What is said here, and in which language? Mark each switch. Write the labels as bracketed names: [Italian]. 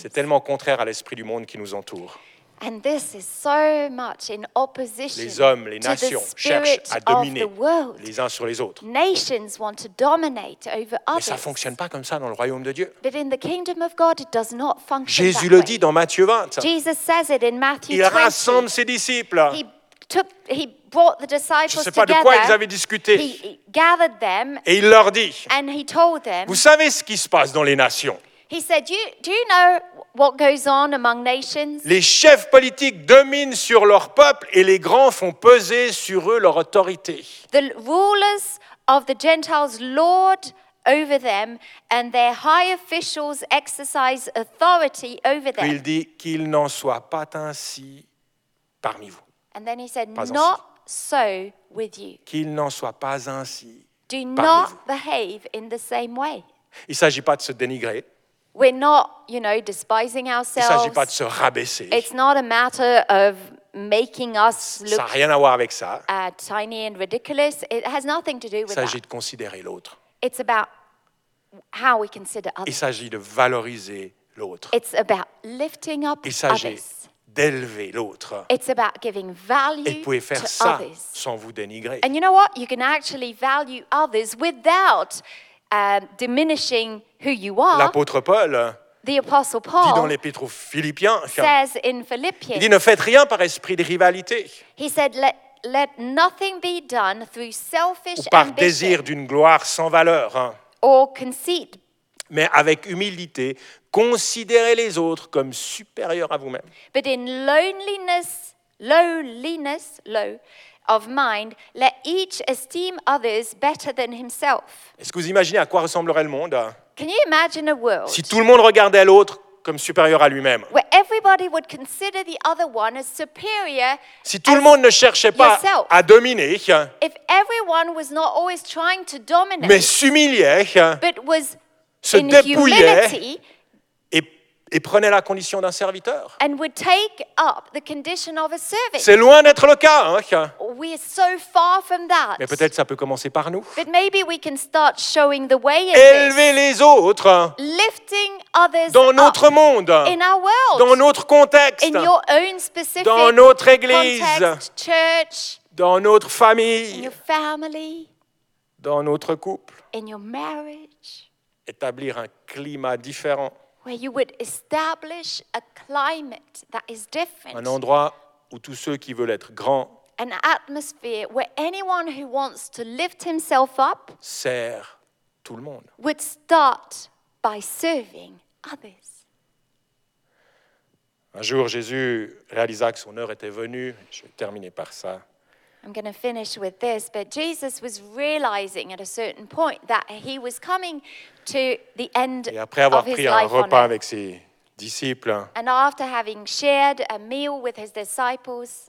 [French] C'est tellement contraire à l'esprit du monde qui nous entoure. [English] And this is so much in opposition. [French] Les hommes, les nations cherchent à dominer les uns sur les autres. [English] Nations want to dominate over others. [French] Mais ça fonctionne pas comme ça dans le royaume de Dieu. [English] But in the kingdom of God, it does not function. [French] Jésus [English] that [French] le dit dans Matthieu 20. [English] Jesus says it in Matthew 20. [French] Il rassemble ses disciples. [English] He brought the disciples [French] Je sais pas [English] together. [French] De quoi ils avaient discuté. [English] He gathered them. [French] Et il leur dit. [English] And he told them. [French] Vous savez ce qui se passe dans les nations? [English] He said, do you know what goes on among nations? [French] Les chefs politiques dominent sur leur peuple et les grands font peser sur eux leur autorité. [English] The rulers of the Gentiles lord over them and their high officials exercise authority over them. [French] Puis il dit qu'il n'en soit pas ainsi parmi vous. [English] And then he said, not so with you. [French] Qu'il n'en soit pas ainsi [English] Do [French] parmi [English] not [French] vous. [English] Behave in the same way. [French] Il ne s'agit pas de se dénigrer. [English] We're not, you know, despising ourselves. [French] Il ne s'agit pas de se rabaisser. [English] It's not a matter of making us look [French] ça n'a rien à voir avec ça. [English] Tiny and ridiculous. It has nothing to do with that. [French] Il s'agit de considérer l'autre. [English] It's about how we consider others. [French] Il s'agit de valoriser l'autre. [English] It's about lifting up [French] Il s'agit [English] others. [French] D'élever l'autre. [English] It's about giving value [French] Et vous pouvez faire [English] to [French] ça [English] others. [French] Sans vous dénigrer. [English] And you know what? You can actually value others without diminishing who you are. [French] L'apôtre Paul, [English] the Apostle Paul [French] dit dans l'épître aux Philippiens, [English] says in Philippians, [French] il dit ne faites rien par esprit de rivalité. [English] He said, let nothing be done through selfish [French] ou par [English] ambition, [French] désir d'une gloire sans valeur. [English] Or conceit. [French] Mais avec humilité, considérez les autres comme supérieurs à vous-même. [English] But in lowliness, low of mind, let each esteem others better than himself. [French] Est-ce que vous imaginez à quoi ressemblerait le monde? [English] Can you imagine a world [French] si tout le monde regardait l'autre comme supérieur à lui-même? [English] Where everybody would consider the other one as superior. [French] Si tout le monde ne cherchait pas [English] yourself, [French] à dominer, [English] if everyone was not always trying to dominate, [French] mais s'humiliait, [English] but was [French] se [English] in [French] dépouillait, [English] humility, [French] et prenait la condition d'un serviteur. [English] And would take up the condition of a servant. [French] C'est loin d'être le cas. Hein? [English] We are so far from that. [French] Mais peut-être ça peut commencer par nous. [English] But maybe we can start showing the way in [French] Élever [English] this. [French] Les autres. [English] Lifting others [French] dans notre [English] up. [French] Monde. [English] In our world. [French] Dans notre contexte. [English] In your own specific [French] dans notre église. [English] Context, church. [French] Dans notre famille. [English] In your family. [French] Dans notre couple. [English] In your marriage. [French] Établir un climat différent. [English] Where you would establish a climate that is different. [French] Un endroit où tous ceux qui veulent être grands. [English] An atmosphere where anyone who wants to lift himself up. [French] Sert tout le monde. [English] Would start by serving others. [French] Un jour, Jésus réalisa que son heure était venue. Je vais terminer par ça. [English] I'm going to finish with this, but Jesus was realizing at a certain point that he was coming to the end of his life. [French] Et après avoir pris un repas avec ses disciples, [English] and after having shared a meal with his disciples,